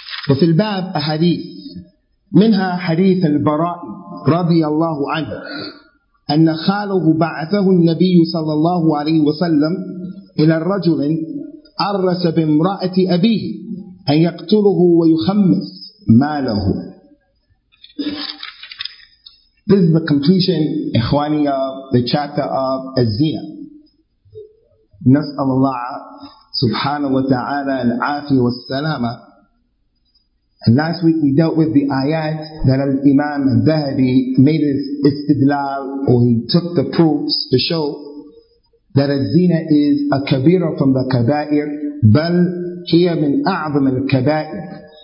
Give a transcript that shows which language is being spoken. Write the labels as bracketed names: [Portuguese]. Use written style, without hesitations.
[Arabic] وفي الباب أحاديث منها حديث البراء رضي الله عنه أن خاله بعثه النبي صلى الله عليه وسلم إلى الرجل عرس بامرأة أبيه أن يقتله ويخمس ماله. [English] This is the completion, إخواني, of the chapter of الزِّنَا. [Arabic] نسأل الله سبحانه وتعالى العافية والسلامة. [English] And last week we dealt with the ayat that Al-Imam Dhahabi made his istidlal, or he took the proofs to show that al-zina is a kabira from the kabair, [Arabic] بل هي من أعظم الكبائر.